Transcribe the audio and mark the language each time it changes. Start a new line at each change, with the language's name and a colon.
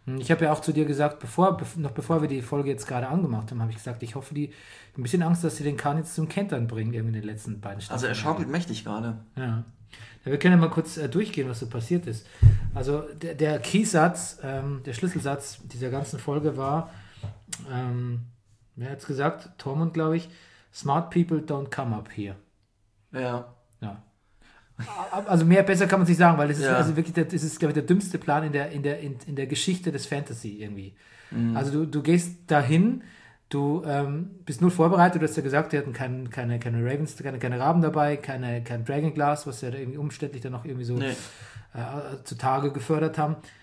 German: Ich habe ja auch zu dir gesagt, bevor wir die Folge jetzt gerade angemacht haben, habe ich gesagt, ich hoffe, ein bisschen Angst, dass sie den Khan jetzt zum Kentern bringen, irgendwie in den letzten beiden Staffeln. Also er schaukelt mächtig gerade. Ja. Wir können ja mal kurz durchgehen, was so passiert ist. Also der Keysatz, der Schlüsselsatz dieser ganzen Folge war, wer hat es gesagt? Tormund, glaube ich.
English: Smart people don't come up here.
German: Ja. Also mehr besser kann man sich sagen, weil das ist also wirklich, das ist, glaube ich, der dümmste Plan in der Geschichte des Fantasy irgendwie. Mhm. Also du gehst dahin, du bist null vorbereitet, du hast ja gesagt, die hatten keine Ravens, keine Raben dabei, kein Dragonglass, was ja da irgendwie umständlich dann noch irgendwie so zutage gefördert haben.